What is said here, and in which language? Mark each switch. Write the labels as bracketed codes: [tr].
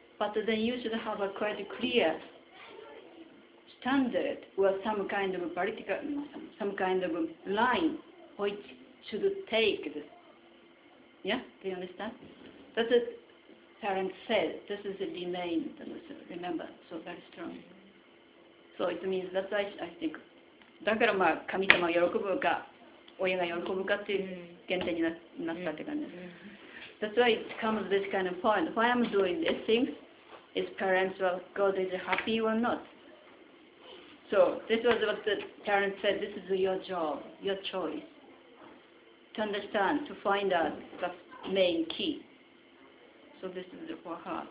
[en] But then you should have a quite clear standard or some kind of political, some kind of line which should take this. Yeah, do you understand? That's what parents said. This is the name, remember, so very strong. So it means that's why I think. [ja] だからまあ神様喜ぶか。親が喜ぶかっていう原点になったって感じです。 [en] That's why it comes this kind of point. Why I'm doing these things is parents or God is happy or not. So this was what the parents said. This is your job, your choice. To understand, to find out the main key. So this is for her.